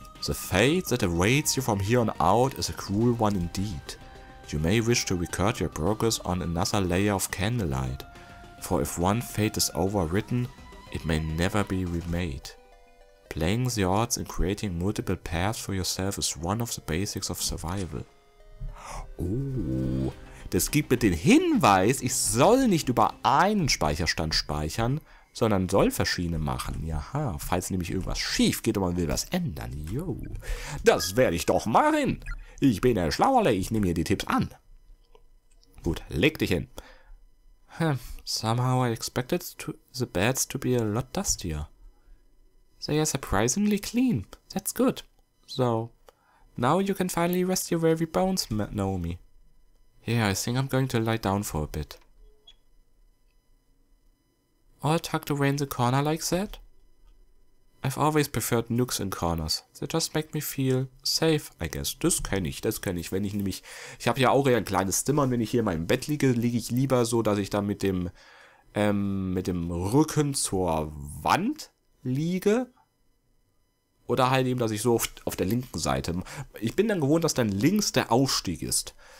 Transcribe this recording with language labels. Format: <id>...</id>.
<en>The fate that awaits you from here on out is a cruel one indeed. You may wish to record your progress on another layer of candlelight. For if one fate is overwritten, it may never be remade. Playing the odds and creating multiple paths for yourself is one of the basics of survival.</en> <de>Oh, das gibt mir den Hinweis, ich soll nicht über einen Speicherstand speichern, sondern soll verschiedene machen. Jaha, falls nämlich irgendwas schief geht und man will was ändern, jo. Das werde ich doch machen. Ich bin der Schlauerle, ich nehme mir die Tipps an. Gut, leg dich hin.</de> <en>Somehow I expected the beds to be a lot dustier. They are surprisingly clean. That's good. So, now you can finally rest your weary bones, Naomi. Yeah, I think I'm going to lie down for a bit. All tucked away in the corner like that? I've always preferred nooks and corners. They just make me feel safe, I guess.</en> <de>Das kenne ich. Wenn ich nämlich, ich habe ja auch eher ein kleines Zimmer und wenn ich hier in meinem Bett liege, liege ich lieber so, dass ich dann mit dem Rücken zur Wand liege. Oder halt eben, dass ich so auf der linken Seite. Ich bin dann gewohnt, dass dann links der Aufstieg ist.</de>